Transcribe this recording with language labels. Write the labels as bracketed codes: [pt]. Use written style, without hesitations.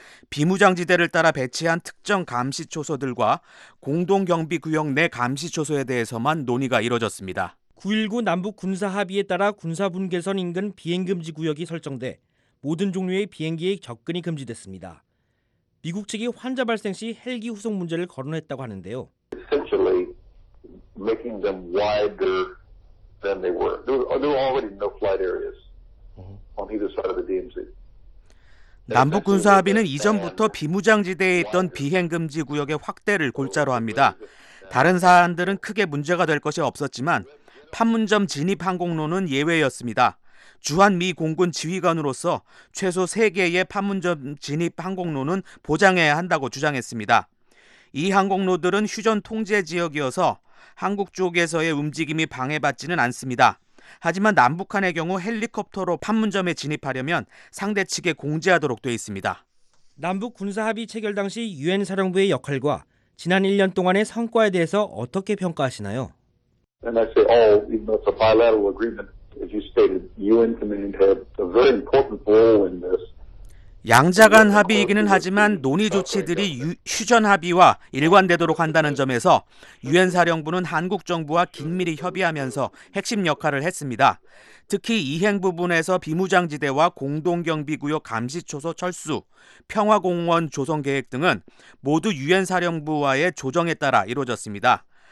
[ko] 비무장지대를 따라 배치한 특정 감시초소들과 공동경비구역 내 감시초소에 대해서만 논의가 이뤄졌습니다. 9.19 남북 군사합의에 따라 군사분계선 인근 비행금지 구역이 설정돼 모든 종류의 비행기의 접근이 금지됐습니다. 미국 측이 환자 발생 시 헬기 후속 문제를 거론했다고 하는데요. [en] Essentially making them wider than they were. There were already no flight areas on either side of the DMZ. [ko] 남북군사합의는 이전부터 비무장지대에 있던 비행금지 구역의 확대를 골자로 합니다. 다른 사안들은 크게 문제가 될 것이 없었지만 판문점 진입 항공로는 예외였습니다. 주한미 공군 지휘관으로서 최소 3개의 판문점 진입 항공로는 보장해야 한다고 주장했습니다. 이 항공로들은 휴전 통제 지역이어서 한국 쪽에서의 움직임이 방해받지는 않습니다. 하지만 남북한의 경우 헬리콥터로 판문점에 진입하려면 상대 측에 공지하도록 돼 있습니다. 남북 군사합의 체결 당시 유엔 사령부의 역할과 지난 1년 동안의 성과에 대해서 어떻게 평가하시나요? [en] And I say, oh, even though it's a bilateral agreement, as you stated, UN command had a very important role in this. [ko] 양자 간 합의이기는 하지만 논의 조치들이 휴전 합의와 일관되도록 한다는 점에서 유엔 사령부는 한국 정부와 긴밀히 협의하면서 핵심 역할을 했습니다. 특히 이행 부분에서 비무장지대와 공동경비구역 감시초소 철수, 평화공원 조성 계획 등은 모두 유엔 사령부와의 조정에 따라 이루어졌습니다.